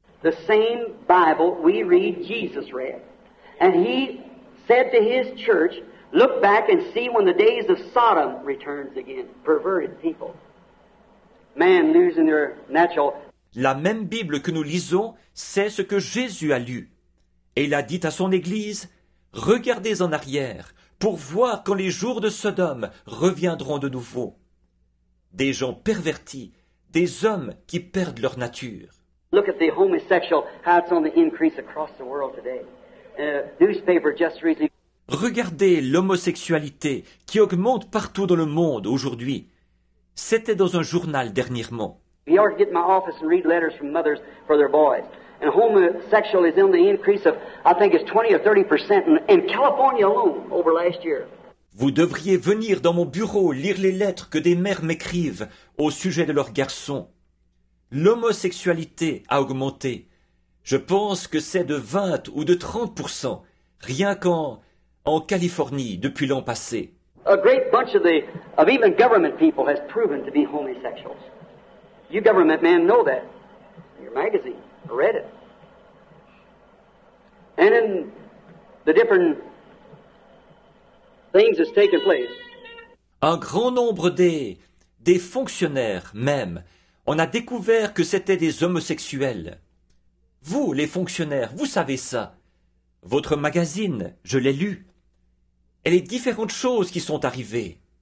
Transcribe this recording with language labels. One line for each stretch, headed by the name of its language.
English: The same Bible we read, Jesus read. And he said to his church, look back and see when the days of Sodom returns again, perverted people. Man losing their natural...
French: La même Bible que nous lisons, c'est ce que Jésus a lu. Et il a dit à son Église, « Regardez en arrière pour voir quand les jours de Sodome reviendront de nouveau. » Des gens pervertis, des hommes qui perdent leur nature.
English: Look at the homosexual, how it's on the increase across the world today. Newspaper just recently...
French: Regardez l'homosexualité qui augmente partout dans le monde aujourd'hui. C'était dans un journal dernièrement.
English: You ought to get in my office and read letters from mothers for their boys. And homosexual is on the increase of, I think it's 20-30% in California alone over last year.
French: Vous devriez venir dans mon bureau lire les lettres que des mères m'écrivent au sujet de leurs garçons. L'homosexualité a augmenté. Je pense que c'est de 20 ou de 30% rien qu'en Californie depuis l'an passé.
English: A great bunch of the of even government people has proven to be homosexuals. You government men know that. Your magazine, I read it. And in the different things that's taken place.
French: Un grand nombre des fonctionnaires même. On a découvert que c'était des homosexuels. Vous, les fonctionnaires, vous savez ça. Votre magazine, je l'ai lu. Et les différentes choses qui sont arrivées.